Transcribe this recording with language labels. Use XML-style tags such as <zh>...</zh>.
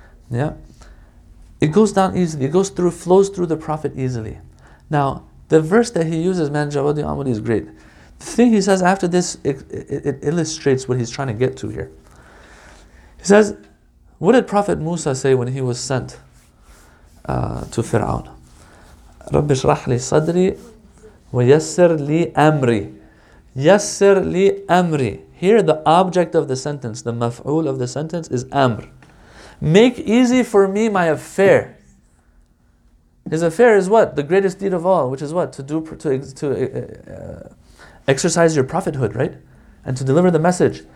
<en>Yeah, it goes down easily. It goes through, flows through the Prophet easily. Now, the verse that he uses, man, Jawadi Amadi, is great. The thing he says after this, it illustrates what he's trying to get to here. He says, what did Prophet Musa say when he was sent to Fir'aun?</en> <ar>رَبِّ شْرَحْ لِي صَدْرِي وَيَسِّرْ لِي أَمْرِي. يَسِّرْ لِي أَمْرِي.</ar> <en>Here, the object of the sentence, the maf'ul of the sentence is amr. Make easy for me my affair. His affair is what? The greatest deed of all, which is what? To exercise your prophethood, right? And to deliver the message.</en>